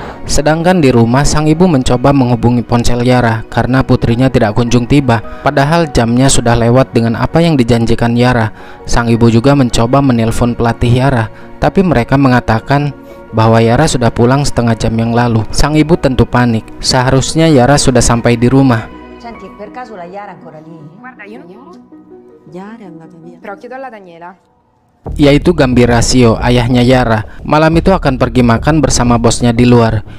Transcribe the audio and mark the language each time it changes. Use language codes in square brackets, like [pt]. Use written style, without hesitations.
[id] Sedangkan di rumah, sang ibu mencoba menghubungi ponsel Yara karena putrinya tidak kunjung tiba. Padahal jamnya sudah lewat dengan apa yang dijanjikan Yara. Sang ibu juga mencoba menelpon pelatih Yara, tapi mereka mengatakan bahwa Yara sudah pulang setengah jam yang lalu. Sang ibu tentu panik. Seharusnya Yara sudah sampai di rumah. [it] Senti, per caso la Yara ancora lì? Guarda, io non... Yara è andata via. Però chiedo alla Daniela. [id] yaitu Gambir Asio, ayahnya Yara. Malam itu akan pergi makan bersama bosnya di luar.